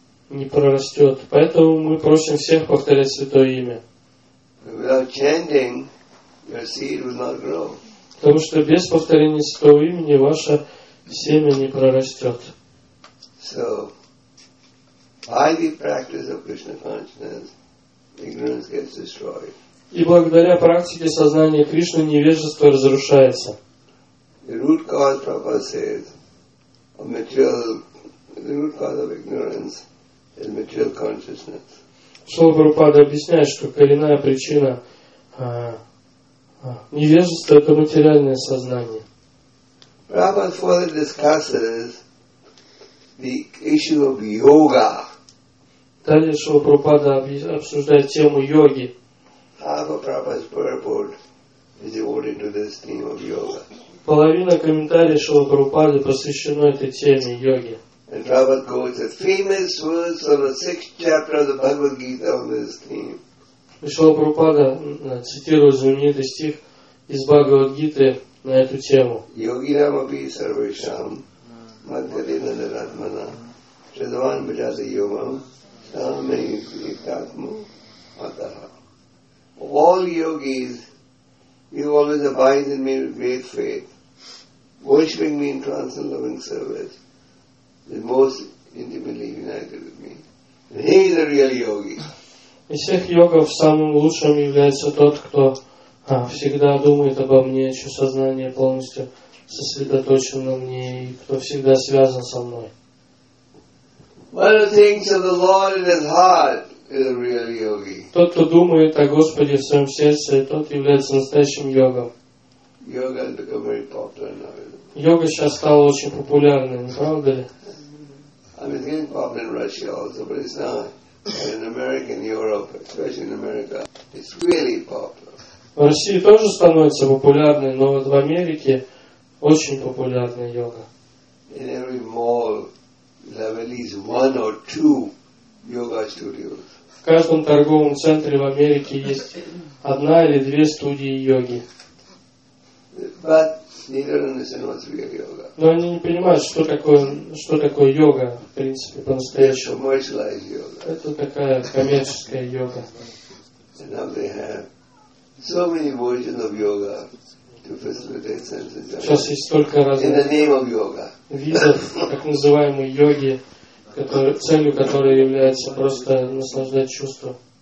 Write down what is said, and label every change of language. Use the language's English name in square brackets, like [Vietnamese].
[Russian] Не прорастет. Поэтому мы просим всех повторять Святое Имя. Потому что без повторения Святого Имени ваше семя не прорастет. [English] So, by the practice of Krishna consciousness, ignorance gets destroyed. [Russian] И благодаря практике сознания Кришны невежество разрушается. [English] The root cause, Prabhupada says, of material, the root cause of ignorance is material consciousness. [Russian] Шрила Прабхупада объясняет, что коренная причина невежества – это материальное сознание. [English] Prabhupada further discusses the issue of yoga. [Russian] Далее Шрила Прабхупада обсуждает тему йоги. [English] Half of Prabhupada's purport is devoted to this theme of yoga. [Russian] Половина комментариев Шрила Прабхупады посвящена этой теме йоги. [English] And Prabhupada quotes the famous words from the sixth chapter of the Bhagavad Gita on this theme. [Russian] И Шрила Прабхупада цитирует знаменитый стих из Бхагавад Гиты на эту тему. [Sanskrit] Йогинам апи сарвешам мадхарина даратмана шедаван бджаса йогам саме иттатму атаха. [English] Of all yogis, you always abide in me with great faith, worshipping me in transcendental loving service, the most intimately united with me. And he is a real yogi. [Russian] Из всех йогов самым лучшим является тот, кто всегда думает обо мне, чье сознание полностью сосредоточено на мне, и кто всегда связан со мной. [English] One who thinks of the Lord in his heart is a real yogi. [Russian] Тот, кто думает о Господе в своем сердце, тот является настоящим йогом. [English] Yoga has become very popular now. [Russian] Йога сейчас стала очень популярной, не правда ли? [English] I mean, it's getting popular in Russia also, but it's not. In America, in Europe, especially in America, it's really popular. [Russian] В России тоже становится популярной, но вот в Америке очень популярная йога. [English] In every mall, there are at least one or two yoga studios. [Russian] В каждом торговом центре в Америке есть одна или две студии йоги. [English] But they don't understand what's real yoga. [Russian] Но они не понимают, что такое йога, в принципе, по-настоящему. [English] They commercialize yoga. [Russian] Это такая коммерческая йога. [English] And now they have so many versions of yoga to facilitate sense of yoga. [Russian] Сейчас есть столько разных [English] in the name of yoga. [Russian] Видов, так называемой йоги, целью которой является просто наслаждать чувства.